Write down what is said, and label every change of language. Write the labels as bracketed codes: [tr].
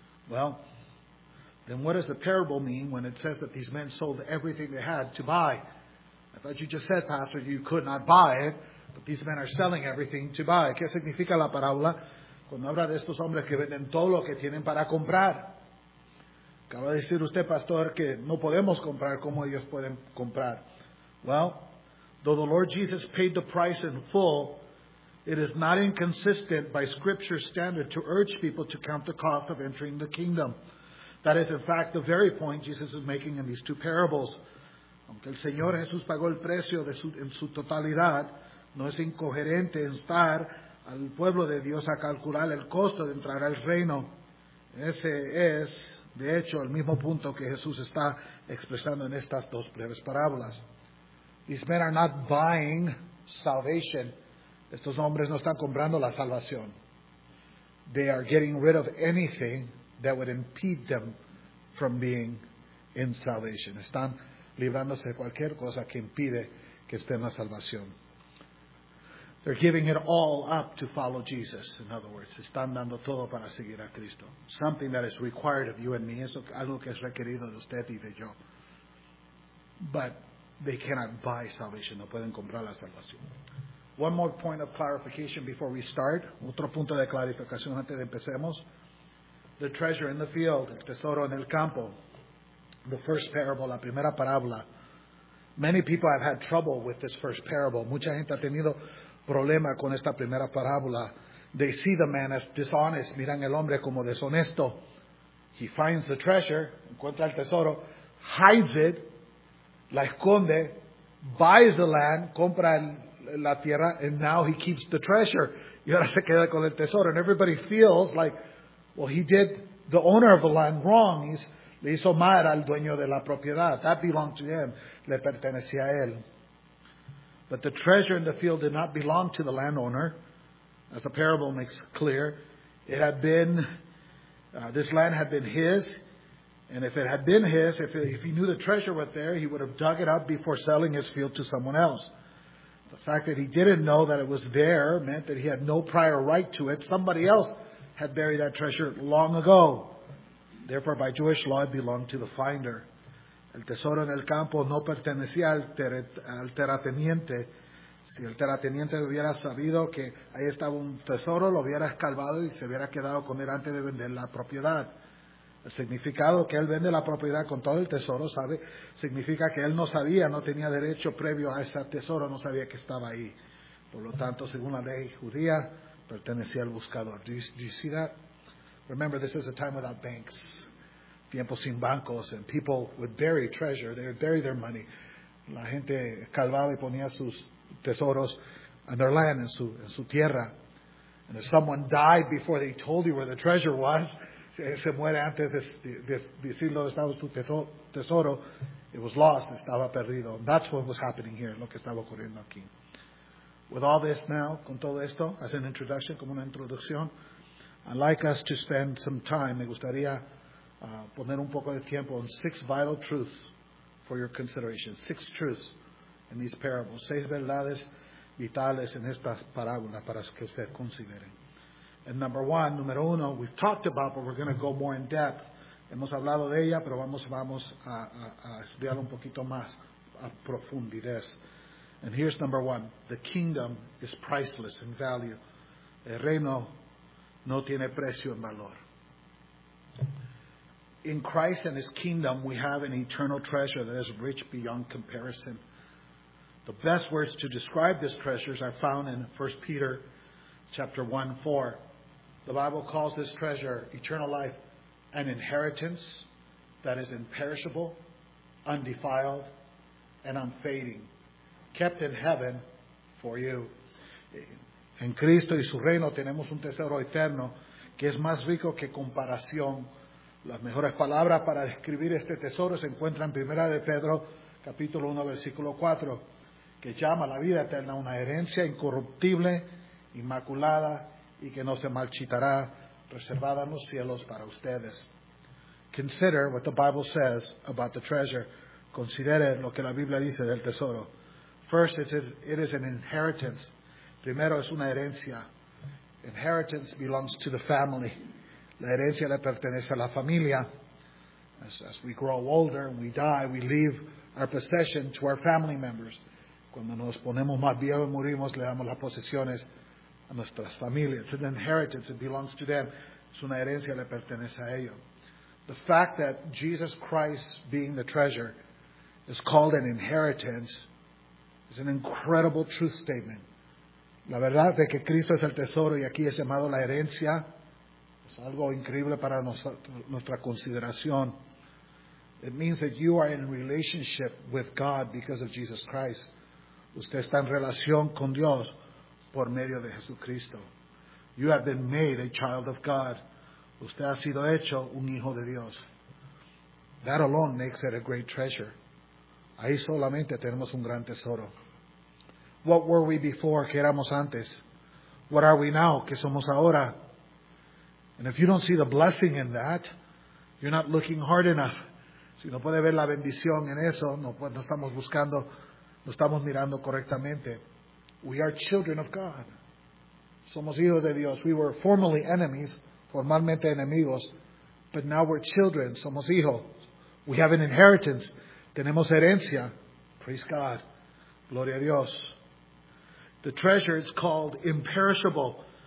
[en] Well, then what does the parable mean when it says that these men sold everything they had to buy? I thought you just said, Pastor, you could not buy it. But these men are selling everything to buy. [es] ¿Qué significa la parábola cuando habla de estos hombres que venden todo lo que tienen para comprar? Acaba de decir usted, pastor, que no podemos comprar como ellos pueden comprar. [en] Well, though the Lord Jesus paid the price in full, it is not inconsistent by Scripture's standard to urge people to count the cost of entering the kingdom. That is, in fact, the very point Jesus is making in these two parables. [es] Aunque el Señor Jesús pagó el precio de su, en su totalidad, no es incoherente instar al pueblo de Dios a calcular el costo de entrar al reino. Ese es, de hecho, el mismo punto que Jesús está expresando en estas dos breves parábolas. [en] These men are not buying salvation. [es] Estos hombres no están comprando la salvación. [en] They are getting rid of anything that would impede them from being in salvation. [es] Están librándose de cualquier cosa que impide que estén en la salvación. [en] They're giving it all up to follow Jesus. In other words, [es] están dando todo para seguir a Cristo. [en] Something that is required of you and me. [es] Es algo que es requerido de usted y de yo. [en] But they cannot buy salvation. [es] No pueden comprar la salvación. [en] One more point of clarification before we start. [es] Otro punto de clarificación antes de empecemos. [en] The treasure in the field. [es] El tesoro en el campo. [en] The first parable. [es] La primera parábola. [en] Many people have had trouble with this first parable. [es] Mucha gente ha tenido problema con esta primera parábola. [en] They see the man as dishonest. [es] Miran el hombre como deshonesto. [en] He finds the treasure, [es] encuentra el tesoro, [en] hides it, [es] la esconde, [en] buys the land, [es] compra la tierra, [en] and now he keeps the treasure. [es] Y ahora se queda con el tesoro. [en] And everybody feels like, well, he did the owner of the land wrong. [es] Le hizo mal al dueño de la propiedad. [en] That belonged to him. [es] Le pertenecía a él. [en] But the treasure in the field did not belong to the landowner, as the parable makes clear. It had been, this land had been his, and if it had been his, if he knew the treasure was there, he would have dug it up before selling his field to someone else. The fact that he didn't know that it was there meant that he had no prior right to it. Somebody else had buried that treasure long ago. Therefore, by Jewish law, it belonged to the finder. [es] El tesoro en el campo no pertenecía al terrateniente. Si el terrateniente hubiera sabido que ahí estaba un tesoro, lo hubiera escarbado y se hubiera quedado con él antes de vender la propiedad. El significado que él vende la propiedad con todo el tesoro, ¿sabe? Significa que él no sabía, no tenía derecho previo a ese tesoro, no sabía que estaba ahí. Por lo tanto, según la ley judía, pertenecía al buscador. [en] Do you see that? Remember, this is a time without banks. [es] Tiempos sin bancos, [en] and people would bury treasure, they would bury their money. [es] La gente calvaba y ponía sus tesoros en [en] their land, [es] en su tierra. [en] And if someone died before they told you where the treasure was, [es] se muere antes de decir dónde estaba su tesoro, [en] it was lost, [es] estaba perdido. [en] And that's what was happening here, [es] lo que estaba ocurriendo aquí. [en] With all this now, [es] con todo esto, [en] as an introduction, [es] como una introducción, [en] I'd like us to spend some time, [es] me gustaría poner un poco de tiempo en [en] 6 vital truths for your consideration. 6 truths in these parables. [es] 6 verdades vitales en estas parábolas para que ustedes consideren. [en] And number one, [es] número uno, [en] we've talked about, but we're going to go more in depth. [es] Hemos hablado de ella, pero vamos a estudiar un poquito más a profundidad. [en] And here's number one. The kingdom is priceless in value. [es] El reino no tiene precio en valor. [en] In Christ and his kingdom, we have an eternal treasure that is rich beyond comparison. The best words to describe this treasure are found in 1 Peter chapter 1, 4. The Bible calls this treasure, eternal life, an inheritance that is imperishable, undefiled, and unfading, kept in heaven for you. [es] En Cristo y su reino tenemos un tesoro eterno que es más rico que comparación. Las mejores palabras para describir este tesoro se encuentran en 1 de Pedro, capítulo 1, versículo 4, que llama la vida eterna una herencia incorruptible, inmaculada y que no se marchitará, reservada en los cielos para ustedes. [en] Consider what the Bible says about the treasure. [es] Considere lo que la Biblia dice del tesoro. [en] First, it is an inheritance. [es] Primero, es una herencia. [en] Inheritance belongs to the family. [es] La herencia le pertenece a la familia. [en] As we grow older and we die, we leave our possession to our family members. [es] Cuando nos ponemos más viejos y morimos, le damos las posesiones a nuestras familias. [en] It's an inheritance. It belongs to them. [es] Es una herencia, le pertenece a ellos. [en] The fact that Jesus Christ being the treasure is called an inheritance is an incredible truth statement. [es] La verdad de que Cristo es el tesoro y aquí es llamado la herencia es algo increíble para nuestra consideración. [en] It means that you are in relationship with God because of Jesus Christ. [es] Usted está en relación con Dios por medio de Jesucristo. [en] You have been made a child of God. [es] Usted ha sido hecho un hijo de Dios. [en] That alone makes it a great treasure. [es] Ahí solamente tenemos un gran tesoro. [en] What were we before? [es] ¿Qué éramos antes? [en] What are we now? [es] ¿Qué somos ahora? [en] And if you don't see the blessing in that, you're not looking hard enough. [es] Si no puede ver la bendición en eso, no estamos buscando, no estamos mirando correctamente. [en] We are children of God. [es] Somos hijos de Dios. [en] We were formerly enemies, [es] formalmente enemigos, [en] but now we're children. [es] Somos hijos. [en] We have an inheritance. [es] Tenemos herencia. [en] Praise God. [es] Gloria a Dios. [en] The treasure is called imperishable.